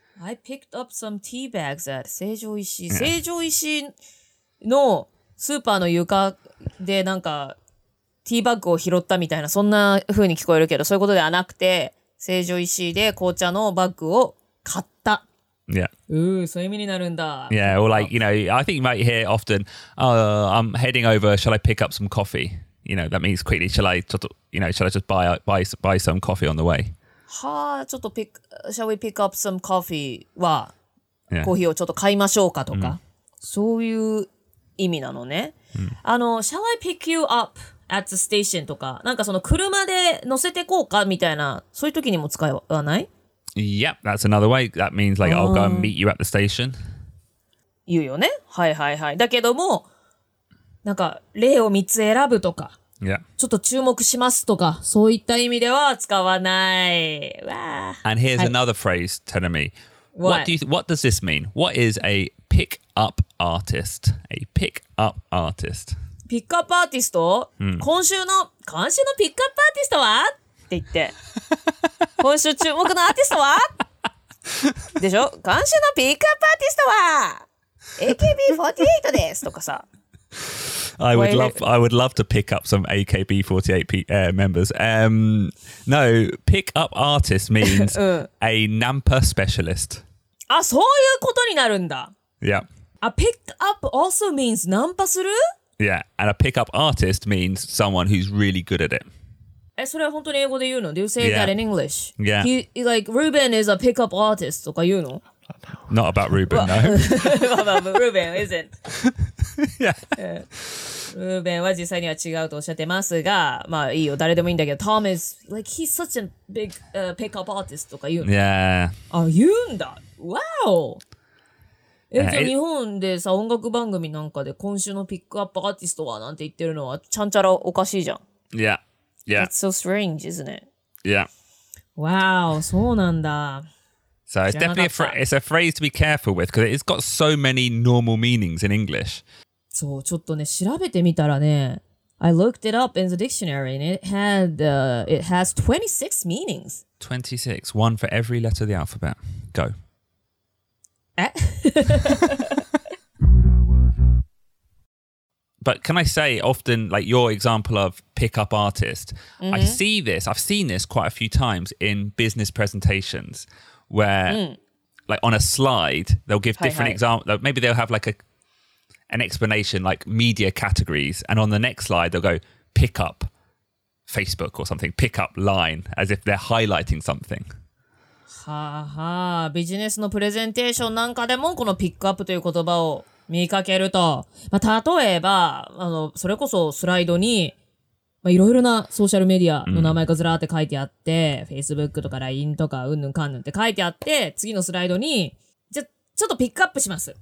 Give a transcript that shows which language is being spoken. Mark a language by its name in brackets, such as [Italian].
[English] I picked up some tea bags at Seijo Ishii. [Japanese] Seijo Ishii のスーパーの床でなんか、ティーバッグを拾ったみたいな、そんな風に聞こえるけど、そういうことではなくて、成城石井で紅茶のバッグを買った。 [English] Yeah. [Japanese] うー、そういう意味になるんだ。 [English] Yeah, or like, you know, I think you might hear often, I'm heading over, shall I pick up some coffee? You know, that means quickly, shall I, you know, shall I just buy some coffee on the way? [Japanese] はぁ、ちょっと [English] shall we pick up some coffee? は、yeah. [Japanese] コーヒーをちょっと買いましょうかとか、そういう意味なのね。あの、 [English] shall I pick you up? At the station [Japanese] とか、なんかその車で乗せてこうかみたいな、そういう時にも使わない [English] ？Yep, that's another way. That means like I'll go and meet you at the station. [Japanese] 言うよね。はいはいはい。だけども、なんか例を3つ選ぶとか、 [English] yeah. [Japanese] ちょっと注目しますとか、そういった意味では使わない。 [English] And here's、 [Japanese] はい、 [English] another phrase, Tenami. What does this mean? What is a pick up artist? A pick up artist. [Japanese] ピックアップアーティスト、今週のピックアップアーティストはって言って今週注目のアーティストはでしょ今週のピックアップアーティストは AKB48 ですとかさ [English] I would love to pick up some AKB48 members No, pick up artist means 、a Nampa specialist [Japanese] あ、そういうことになるんだ [English] Yeah A pick up also means [Japanese] ナンパする [English] Yeah, and a pickup artist means someone who's really good at it. [Japanese] え、それは本当に英語で言うの? [English] Do you say that in English? Yeah. He, like, Ruben is a pickup artist [Japanese] とか言うの? [English] Not about Ruben, no. Ruben isn't. Yeah. [Japanese] Ruben は実際には違うとおっしゃってますが、まあいいよ、誰でもいいんだけど、 [English] Tom is, like, he's such a big pickup artist [Japanese] とか言うの? [English] Yeah. [Japanese] あ、言うんだ。 [English] Wow! [Japanese] じゃあ日本でさ音楽番組なんかで今週のピックアップアーティストはなんて言ってるのはちゃんちゃらおかしいじゃん。 [English] Yeah, yeah. It's so strange, isn't it? Yeah. Wow, [Japanese] そうなんだ。 [English] So it's definitely it's a phrase to be careful with because it's got so many normal meanings in English. [Japanese] そう、ちょっとね、調べてみたらね、 [English] I looked it up in the dictionary, and it has 26 meanings. 26, one for every letter of the alphabet. Go. But can I say, often, like your example of pickup artist, mm-hmm. I've seen this quite a few times in business presentations where, like on a slide, they'll give different examples. Maybe they'll have like an explanation, like media categories. And on the next slide, they'll go pick up Facebook or something, pick up Line, as if they're highlighting something. [Japanese] はあはあ、ビジネスのプレゼンテーションなんかでもこのピックアップという言葉を見かけると、まあ、例えばそれこそスライドにいろいろなソーシャルメディアの名前がずらーって書いてあって、Facebook とか LINE とかうんぬんかんぬんって書いてあって、次のスライドにじゃちょっとピックアップします。